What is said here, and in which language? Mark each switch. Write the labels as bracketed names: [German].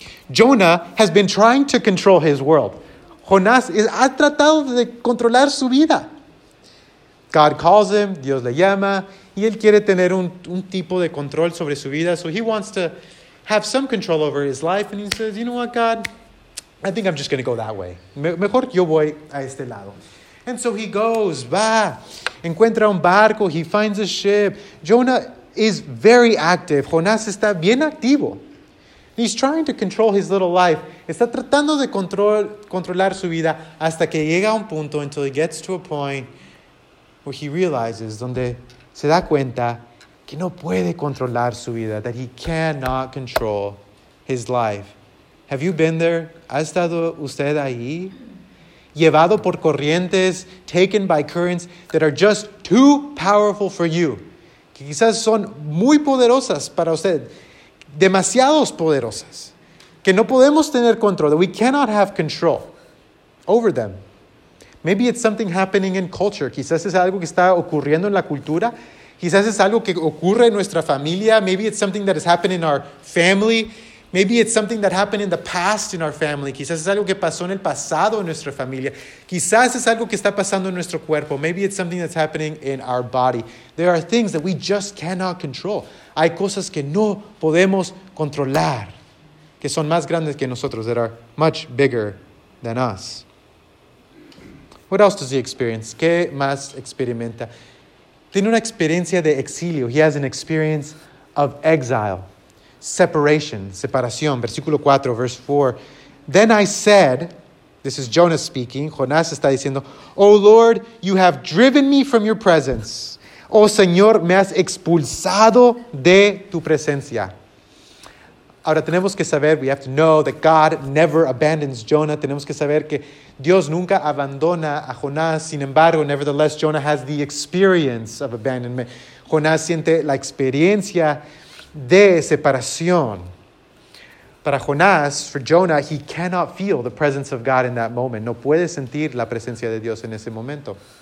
[English] Jonah has been trying to control his world. [Spanish] Jonás ha tratado de controlar su vida. [English] God calls him, [Spanish] Dios le llama, y él quiere tener un tipo de control sobre su vida. [English] So he wants to have some control over his life, and he says, you know what, God? I think I'm just going to go that way. [Spanish] Mejor yo voy a este lado. [English] And so he goes, [Spanish] va, encuentra un barco, [English] he finds a ship. Jonah is very active. [Spanish] Jonás está bien activo. [English] He's trying to control his little life. [Spanish] Está tratando de controlar su vida hasta que llega a un punto, [English] until he gets to a point where he realizes, [Spanish] donde se da cuenta que no puede controlar su vida, [English] that he cannot control his life. Have you been there? [Spanish] ¿Ha estado usted ahí? Llevado por corrientes, [English] taken by currents that are just too powerful for you. [Spanish] Que quizás son muy poderosas para usted. Demasiados poderosas. Que no podemos tener control, [English] that we cannot have control over them. Maybe it's something happening in culture. [Spanish] Quizás es algo que está ocurriendo en la cultura. Quizás es algo que ocurre en nuestra familia. [English] Maybe it's something that has happened in our family. Maybe it's something that happened in the past in our family. [Spanish] Quizás es algo que pasó en el pasado en nuestra familia. Quizás es algo que está pasando en nuestro cuerpo. [English] Maybe it's something that's happening in our body. There are things that we just cannot control. [Spanish] Hay cosas que no podemos controlar, que son más grandes que nosotros, [English] that are much bigger than us. What else does he experience? [Spanish] ¿Qué más experimenta? Tiene una experiencia de exilio. [English] He has an experience of exile. Separation. Separación. Versículo 4, verse 4. Then I said, This is Jonah speaking. [Spanish] Jonás está diciendo, [English] Oh Lord, you have driven me from your presence. [Spanish] Oh Señor, me has expulsado de tu presencia. Ahora tenemos que saber, [English] we have to know that God never abandons Jonah. [Spanish] Tenemos que saber que Dios nunca abandona a Jonás. Sin embargo, [English] nevertheless, Jonah has the experience of abandonment. [Spanish] Jonás siente la experiencia de separación. Para Jonás, [English] for Jonah, he cannot feel the presence of God in that moment. [Spanish] No puede sentir la presencia de Dios en ese momento.